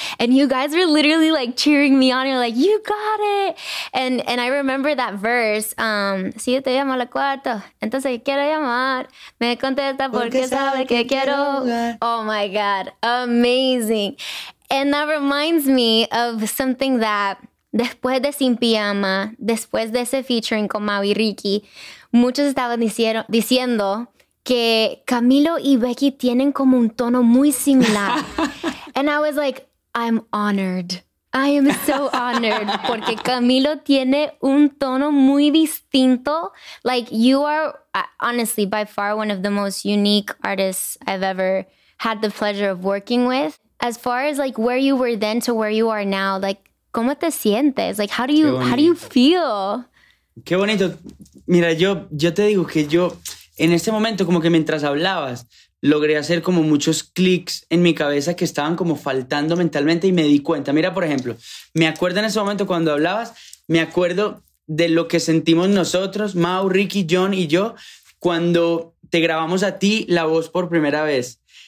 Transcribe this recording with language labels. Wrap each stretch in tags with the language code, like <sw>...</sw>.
<en>And you guys were literally like cheering me on. You're like, you got it. And I remember that verse.</en> <es>Si yo te llamo a la cuarta, entonces quiero llamar. Me contesta porque sabe que quiero.</es> <en>Oh my God. Amazing. And that reminds me of something that</en> <es>después de Sin Pijama, después de ese featuring con Mau y Ricky, muchos estaban diciendo que Camilo y Becky tienen como un tono muy similar.</es> <en>And I was like, I'm honored. I am so honored</en> <es>porque Camilo tiene un tono muy distinto.</es> <en>Like, you are honestly by far one of the most unique artists I've ever had the pleasure of working with. As far as like where you were then to where you are now, like,</en> <es>¿cómo te sientes?</es> <en>Like, how do you feel?</en> <es>Qué bonito. Mira, yo te digo que yo en este momento, como que mientras hablabas, logré hacer como muchos clics en mi cabeza que estaban como faltando mentalmente y me di cuenta. Mira, por ejemplo, me acuerdo en ese momento cuando hablabas, me acuerdo de lo que sentimos nosotros, Mau, Ricky, John y yo, cuando te grabamos a ti la voz por primera vez.</es>